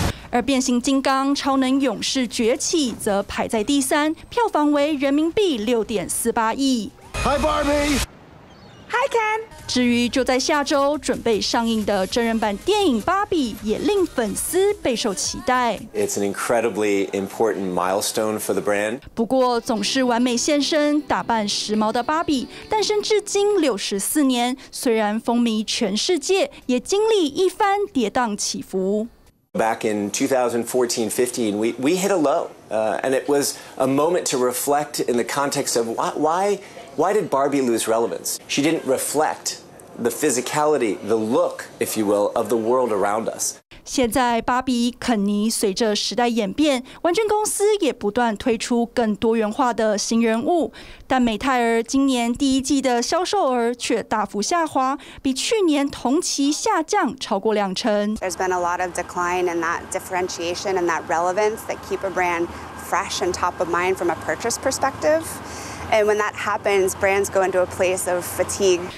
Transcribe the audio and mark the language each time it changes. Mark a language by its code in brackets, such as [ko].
[zh] 而变形金刚超能勇士崛起则排在第三，票房为人民币6.48亿。 [en] Hi Barbie. Hi Ken. [zh] 至于就在下周准备上映的真人版电影《芭比》，也令粉丝备受期待。 [en] It's an incredibly important milestone for the brand. [zh] 不过，总是完美现身、打扮时髦的芭比，诞生至今64年，虽然风靡全世界，也经历一番跌宕起伏。 [en] Back in 2014-15, we hit a low, and it was a moment to reflect in the context of why did Barbie lose relevance? She didn't reflect the physicality, the look, if you will, of the world around us. [zh] 现在芭比、肯尼随着时代演变，玩具公司也不断推出更多元化的新人物。但美泰儿今年第一季的销售额却大幅下滑，比去年同期下降超过20%。 [en] There's been a lot of decline in that differentiation and that relevance that keep a brand fresh and top of mind from a purchase perspective. And when that happens, brands go into a place of fatigue.